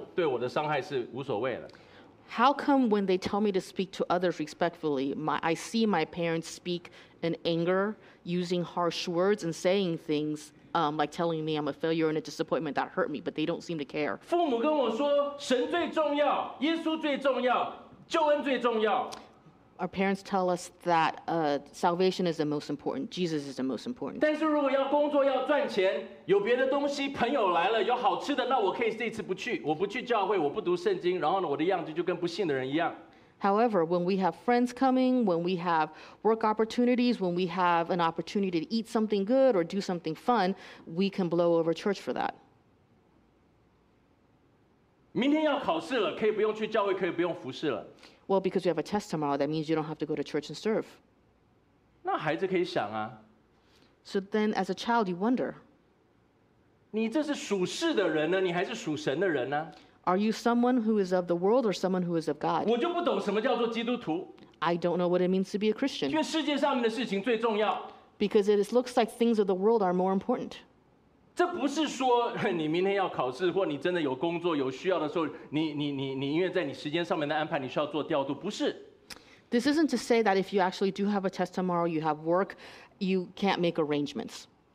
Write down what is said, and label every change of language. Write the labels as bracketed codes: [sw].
[zh] 那为什么我看到我老爸、我老妈讲话的时候，他们就可以毫无控制的情绪化的发怒，然后发泄，然后讲的话，就是你这没出息的，然后呢，就好像对我的伤害是无所谓了。 [en] How come when they tell me to speak to others respectfully, I see my parents speak in anger, using harsh words and saying things? Like telling me I'm a failure and a disappointment that hurt me, but they don't seem to care. [zh] 父母跟我说，神最重要，耶稣最重要，救恩最重要。 [en] Our parents tell us that salvation is the most important. Jesus is the most important. [zh] 但是如果要工作，要赚钱，有别的东西，朋友来了，有好吃的，那我可以这次不去，我不去教会，我不读圣经，然后呢，我的样子就跟不信的人一样。 [en] However, when we have friends coming, when we have work opportunities, when we have an opportunity to eat something good or do something fun, we can blow over church for that. [zh] 明天要考试了，可以不用去教会，可以不用服侍了。 [en] Well, because we have a test tomorrow, that means you don't have to go to church and serve. [zh] 那孩子可以想啊。 [en] So then, as a child, you wonder. [zh] 你这是属世的人呢，你还是属神的人呢？ [en] Are you someone who is of the world or someone who is of God? I don't know what it means to be a Christian. Because it looks like things of the world are more important. This isn't to say that if you actually do have a test tomorrow, you have work, you can't make arrangements.